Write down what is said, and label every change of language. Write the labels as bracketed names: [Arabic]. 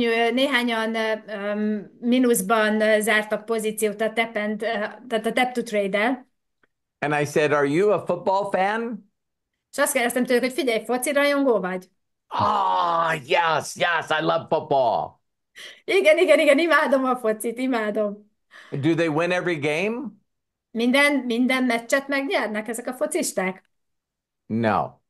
[Hungarian] Néhányan minuszban zártak pozíciót a tap to trade-el. [English] And I said, are you a football fan? [Hungarian] És azt kérdeztem tőlük, hogy figyelj, foci rajongó vagy. [English] Ah, yes, yes, I love football. [Hungarian] Igen, igen, igen, imádom a focit, imádom. [English] Do they win every game? [Hungarian] Minden meccset megnyernek ezek a focisták? [English] No.